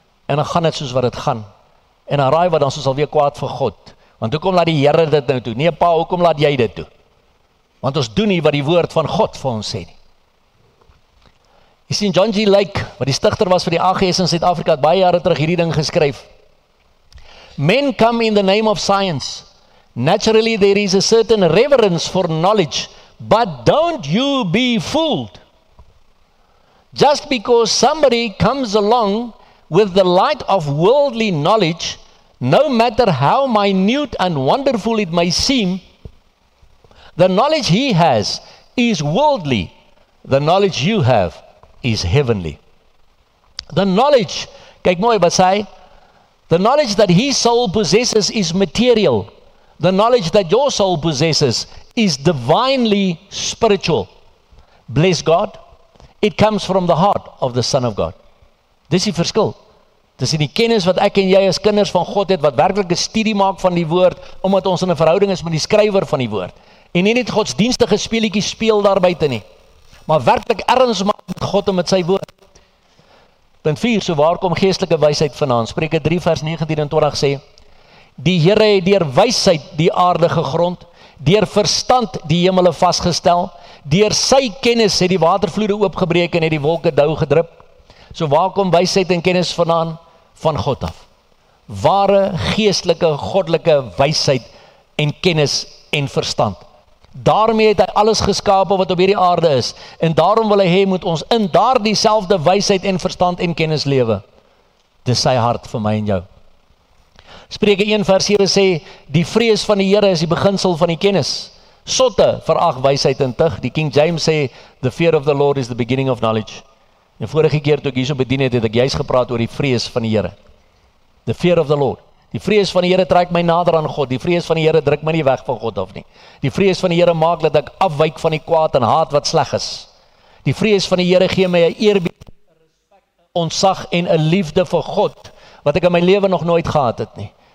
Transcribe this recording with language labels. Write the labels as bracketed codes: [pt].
[af] En dan gaan dit soos wat dit gaan. En dan raai wat dan soos alweer kwaad vir God. Want hoekom laat die Here dit nou toe? Nee pa, hoekom laat jy dit toe? Want ons doen nie wat die woord van God vir ons sê nie. Jy sien John G. Lake, wat die stichter was vir die AGS in Suid-Afrika, het baie jare terug hierdie ding geskryf. [en] Men come in the name of science. Naturally there is a certain reverence for knowledge. But don't you be fooled. Just because somebody comes along with the light of worldly knowledge, no matter how minute and wonderful it may seem, the knowledge he has is worldly. The knowledge you have is heavenly. The knowledge, [af] kyk mooi wat sê, [en] the knowledge that his soul possesses is material. The knowledge that your soul possesses is divinely spiritual. Bless God, it comes from the heart of the Son of God. [af] Dis die verskil. Dis in die kennis wat ek en jy as kinders van God het, wat werklik 'n studie maak van die woord, omdat ons in 'n verhouding is met die skrywer van die woord. En nie net godsdienstige speelietjies speel daarbuiten nie, maar werklik erns maak met God en met sy woord. Punt 4, so waar kom geestelike wysheid vandaan? Spreuke 3 vers 19 en 20 sê, die Here het deur wysheid die aarde gegrond, deur verstand die hemele vasgestel, deur sy kennis het die watervloede oopgebreek en het die wolke dou gedrup. So waar kom wysheid en kennis vandaan? Van God af. Ware geestelike, goddelike wysheid en kennis en verstand. Daarmee het hy alles geskape wat op hierdie aarde is, en daarom wil hy moet ons in daar dieselfde wysheid en verstand en kennis lewe. Dis sy hart vir my en jou. Spreuke 1 vers 7 sê, die vrees van die Here is die beginsel van die kennis. Sotte verag wysheid en tug. Die King James sê, [en] the fear of the Lord is the beginning of knowledge. [af] En vorige keer toe ek hierso bedien het, het ek juist gepraat oor die vrees van die Here. [en] The fear of the Lord. [af] Die vrees van die Here trek my nader aan God. Die vrees van die Here druk my nie weg van God af nie. Die vrees van die Here maak dat ek afwyk van die kwaad en haat wat sleg is. Die vrees van die Here gee my 'n eerbied, ontzag en 'n liefde vir God wat ek in my lewe nog nooit gehad het nie.